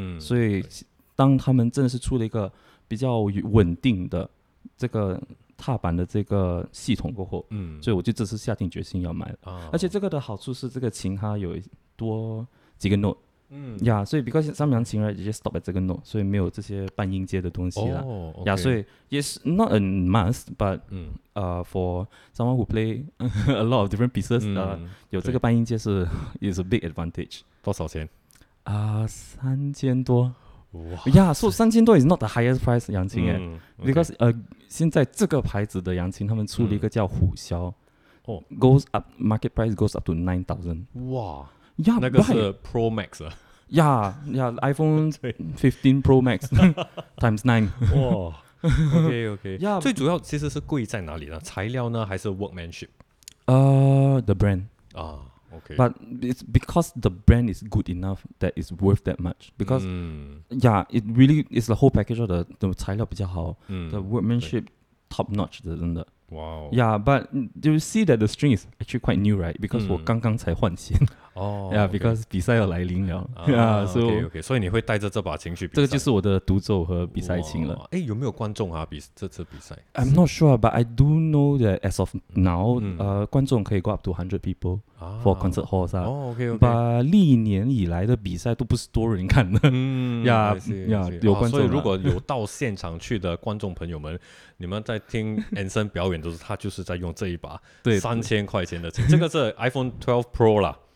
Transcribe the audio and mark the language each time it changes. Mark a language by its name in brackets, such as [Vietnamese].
[Chinese] 所以当他们真的是出了一个比较稳定的这个踏板的这个系统过后，所以我就这次下定决心要买了。而且这个的好处是这个琴它有多几个 note。所以 [English] because [Chinese] 三扬琴 [English] right, you just stop at [Chinese] 这个 note, 所以没有这些半音阶的东西啦。所以 [English] yes, not a must, but for someone who play a lot of different pieces, [Chinese] 有这个半音阶是 [English] is a big advantage. [Chinese] 多少钱？ 3000多。 [English] Yeah, so 3000多 is not the highest price [Chinese] 洋琴耶、 [English] 嗯 okay. Because [Chinese] 现在这个牌子的洋琴他们出了一个叫虎啸、嗯、 [English] goes up, market price goes up to 9000. 哇 yeah, [Chinese] 那个是 Pro Max 啊 [English] Yeah, yeah, iPhone 15 Pro Max times 9. 哇 OK, OK、yeah. [Chinese] 最主要其实是贵在哪里呢？材料呢还是 [English] workmanship? The brand、啊Okay. But it's because the brand is good enough that it's worth that much. Because,、mm. yeah, it really is the whole package of the [Chinese] 材料比较好、 [English] mm. The workmanship、okay. top notch, [Chinese] 真的 Wow. [English] Yeah, but you see that the string is actually quite new, right? Because、 [Chinese] mm. 我刚刚才换弦 Oh, [English] yeah,、okay. because [Chinese] 比赛要来临了、 [English] Yeah, so okay, okay. [Chinese] 所以你会带着这把琴去比赛这个就是我的独奏和比赛琴了、 wow. 诶，有没有观众啊比这次比赛 [English] I'm not sure, but I do know that as of now、mm. [Chinese] 观众可以 [English] go up to 100 people for concert halls、啊 oh, okay, okay. [Chinese] 把历年以来的比赛都不是多人看的、嗯 yeah, [English] I see, yeah, I see. [Chinese] 有观众、啊、所以如果有到现场去的观众朋友们你们在听 Anson 表演的时候他就是在用这一把3000块钱的琴这个是 iPhone 12 Pro 啦